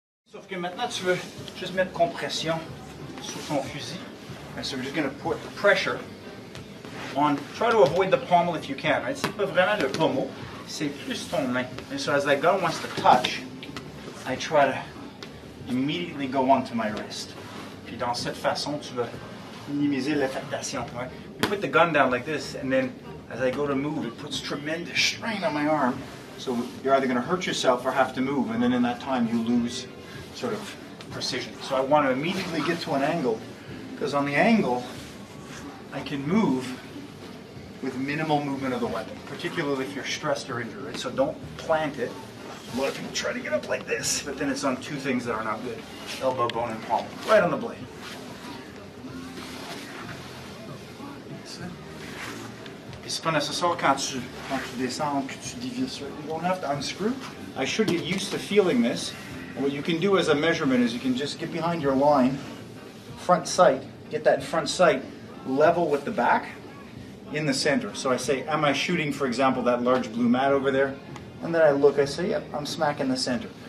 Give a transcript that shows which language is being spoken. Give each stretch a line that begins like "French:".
French: Sauf que maintenant, tu veux juste mettre compression sur ton fusil.
English: And so we're just going to put pressure on. Try to avoid the pommel if you can, right?
French: C'est pas vraiment le pommel. C'est plus ton main.
English: And so as that gun wants to touch, I try to immediately go onto my wrist.
French: Puis dans cette façon, tu veux minimiser l'affectation.
English: Right? You put the gun down like this, and then as I go to move, it puts tremendous strain on my arm. So you're either going to hurt yourself or have to move, and then in that time you lose sort of precision. So I want to immediately get to an angle, because on the angle, I can move with minimal movement of the weapon, particularly if you're stressed or injured. Right? So don't plant it. A lot of people try to get up like this, but then it's on two things that are not good, elbow, bone, and palm, right on the blade.
French: C'est pas nécessaire quand tu descends que tu divises.
English: You don't have to unscrew. I should get used to feeling this. What you can do as a measurement is you can just get behind your line, front sight, get that front sight level with the back in the center. So I say, am I shooting, for example, that large blue mat over there? And then I look, I say, yep, I'm smack in the center.